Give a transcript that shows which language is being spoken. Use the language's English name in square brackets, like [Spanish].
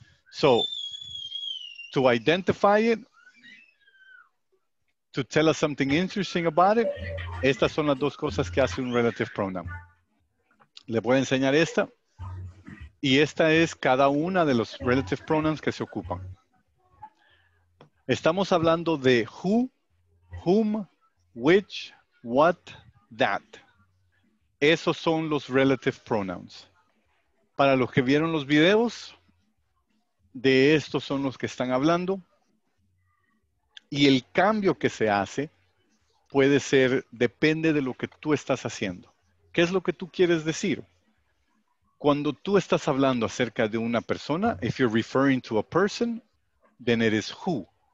[English] So, to identify it, to tell us something interesting about it, [Spanish] estas son las dos cosas que hace un relative pronoun. Le voy a enseñar esta, y esta es cada una de los relative pronouns que se ocupan. Estamos hablando de who, whom, which, what, that. Esos son los relative pronouns. Para los que vieron los videos, de estos son los que están hablando. Y el cambio que se hace puede ser, depende de lo que tú estás haciendo. ¿Qué es lo que tú quieres decir? Cuando tú estás hablando acerca de una persona, [English] if you're referring to a person, then it is who.